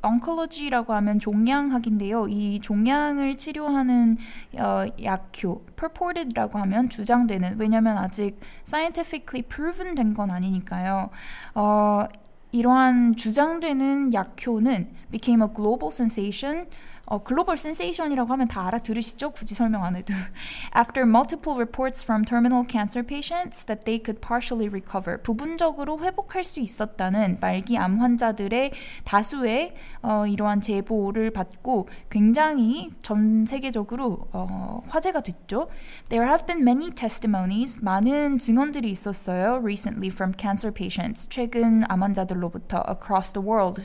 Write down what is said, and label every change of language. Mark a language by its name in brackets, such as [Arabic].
[Korean] Oncology라고 하면 종양학인데요. 이 종양을 치료하는 약효, purported라고 하면 주장되는, 왜냐하면 아직 scientifically proven 된 건 아니니까요. [English] 이러한 주장되는 약효는 became a global sensation. [Korean] 글로벌 센세이션이라고 하면 다 알아들으시죠? 굳이 설명 안 해도. [English] After multiple reports from terminal cancer patients that they could partially recover. [Korean] 부분적으로 회복할 수 있었다는 말기 암 환자들의 다수의 이러한 제보를 받고 굉장히 전 세계적으로 화제가 됐죠. [English] There have been many testimonies. [Korean] 많은 증언들이 있었어요. [English] Recently from cancer patients. 최근 암 환자들로부터. Across the world.